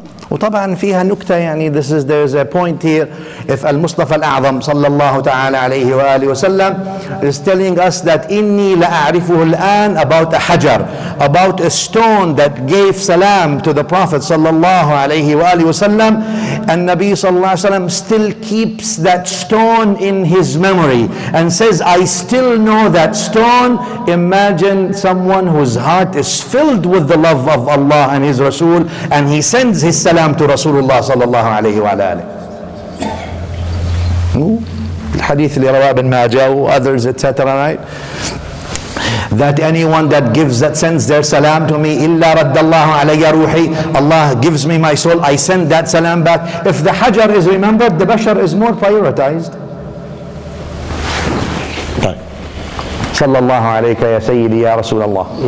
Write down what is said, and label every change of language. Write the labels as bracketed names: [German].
[English] وطبعا فيها نكتة يعني this is there's a point here. If المصطفى الأعظم صلى الله تعالى عليه وآله وسلم is telling us that [Arabic] إني لأعرفه الآن [English] about a حجر, about a stone that gave salam to the Prophet صلى الله عليه وآله وسلم, النبي صلى الله عليه وسلم still keeps that stone in his memory and says I still know that stone. Imagine someone whose heart is filled with the love of Allah and his Rasul and he sends his السلام to رسول الله صلى الله عليه وعلى آله. [Arabic] الحديث اللي رواه ابن ماجه و [English] others etc. right? That anyone that gives that sends their salam to me [Arabic] إلا رد الله علي روحي. [English] Allah gives me my soul. I send that salam back. If the حجر is remembered, the بشر is more prioritized. [Arabic] صلى الله عليك يا سيدي يا رسول الله.